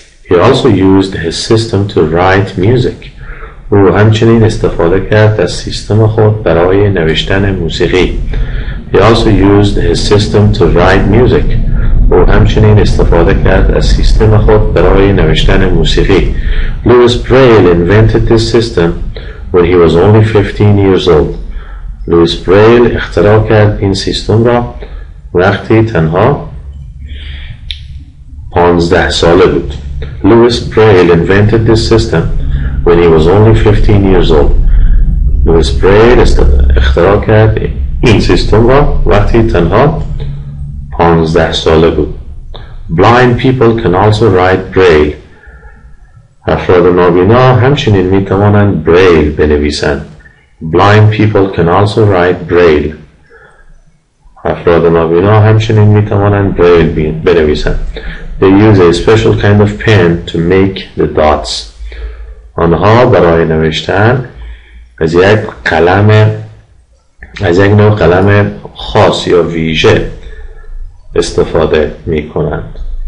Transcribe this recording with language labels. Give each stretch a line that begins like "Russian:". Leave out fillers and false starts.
English: He also used his system to write music.
Persian: او همچنین استفاده کرد از سیستم خود برای نوشتن موسیقی.
English: He also used his system to write music.
Persian: او همچنین استفاده کرد از سیستم خود برای نوشتن موسیقی.
English: Louis Braille invented this system when he was only 15 years old.
Persian: Louis Braille اختراع کرد این سیستم را وقتی تنها 15 ساله بود.
English: Louis Braille invented this system when he was only 15 years old.
Persian: Louis Braille اختراع کرد این سیستم را وقتی تنها 15 ساله بود.
English: Blind people can also write Braille.
Persian: افراد نابینا همچنین می توانند Braille بنویسند.
English: Blind people can also write Braille.
Persian: افراد نابینا همچنین می توانند Braille بنویسند.
English: They use a special kind of pen to make the dots.
Persian: آنها برای نوشتن از یک نوع قلم خاص یا ویژه استفاده می کنند.